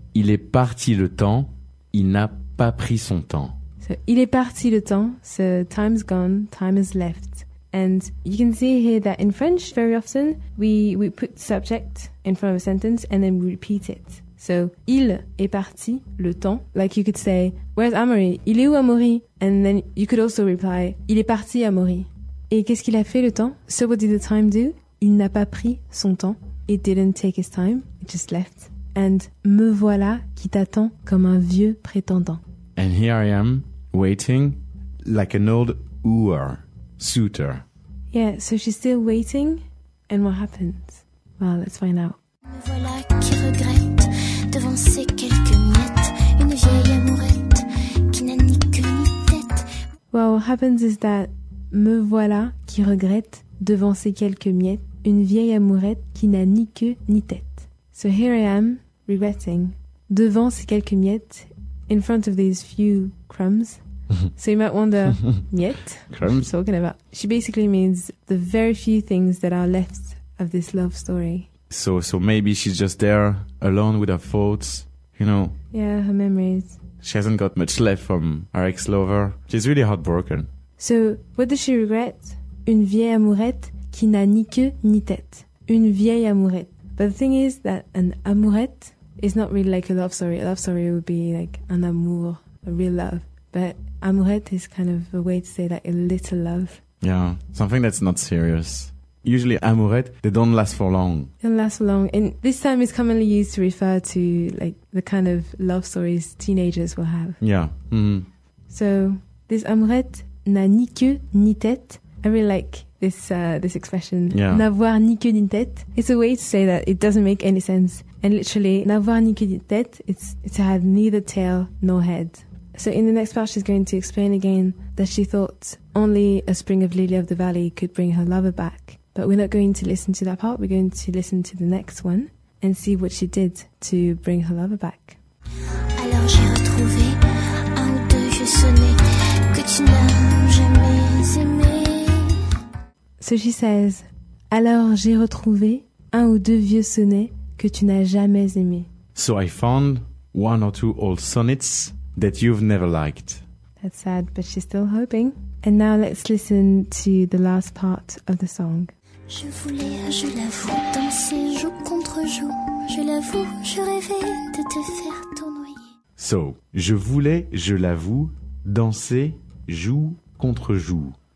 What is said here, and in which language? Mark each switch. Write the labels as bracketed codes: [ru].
[fr] Il est parti le temps, il n'a pas pris son temps. [en] So, [fr] il est parti le temps, [en] so time's gone, time has left. And you can see here that in French, very often, we put the subject in front of a sentence and then we repeat it. [fr] So, il est parti le temps. [en] Like you could say, where's [fr] Amaury? Il est où Amaury? [en] And then you could also reply, [fr] il est parti [en] Amaury. [fr] Et qu'est-ce qu'il a fait le temps? [en] So what did the time do? [fr] Il n'a pas pris son temps. [en] It didn't take his time. It just left. [fr] And me voilà qui t'attend comme un vieux prétendant. [en] And here I am, waiting like an old wooer, suitor. Yeah, so she's still waiting. And what happens? Well, let's find out. [fr] Me voilà qui regrette devant ces quelques miettes une vieille amourette qui n'a ni queue ni tête. [en] Well, what happens is that [fr] me voilà qui regrette devant ces quelques miettes une vieille amourette qui n'a ni queue ni tête. [en] So here I am, regretting. [fr] Devant ces quelques miettes, [en] in front of these few crumbs. So you might wonder, miette? Crumbs? What are you talking about? She basically means the very few things that are left of this love story. So maybe she's just there, alone with her thoughts, you know? Yeah, her memories. She hasn't got much left from her ex-lover. She's really heartbroken. So what does she regret? [fr] Une vieille amourette qui n'a ni queue ni tête. Une vieille amourette. [en] But the thing is that an amourette is not really like a love story. A love story would be like an amour, a real love. But amourette is kind of a way to say like a little love. Yeah, something that's not serious. Usually amourette, they don't last for long. They don't last for long. And this time is commonly used to refer to like the kind of love stories teenagers will have. Yeah. Mm-hmm. So this [fr] amourette n'a ni queue ni tête. [en] I really like this expression. Yeah. [fr] N'avoir ni queue ni tête. [en] It's a way to say that it doesn't make any sense. And literally, [fr] n'avoir ni queue ni tête, [en] it's to have neither tail nor head. So in the next part, she's going to explain again that she thought only a spring of Lily of the Valley could bring her lover back. But we're not going to listen to that part. We're going to listen to the next one and see what she did to bring her lover back. [fr] Alors j'ai retrouvé un ou deux vieux sonnets que tu n'as jamais aimé. [en] So she says, [fr] alors j'ai retrouvé un ou deux vieux sonnets que tu n'as jamais aimé. [en] So I found one or two old sonnets that you've never liked. That's sad, but she's still hoping. And now let's listen to the last part of the song. [fr] Je voulais, je l'avoue, danser jour contre jour. Je l'avoue, je rêvais de te faire tournoyer. So, je voulais, je l'avoue, danser joue contre joue.